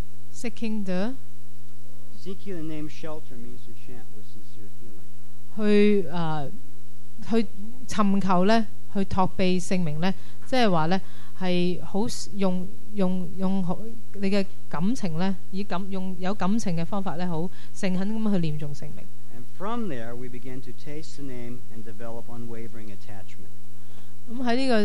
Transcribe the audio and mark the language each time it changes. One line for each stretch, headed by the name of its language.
English: Seeking the name shelter means to chant with sincere feeling.
Cantonese: 去尋求呢，去托庇聖名呢，即係話呢，係好用你嘅感情呢，以感用有感情嘅方法呢，好誠懇咁去念重聖名。
English: And from there we begin to taste the name and develop unwavering attachment.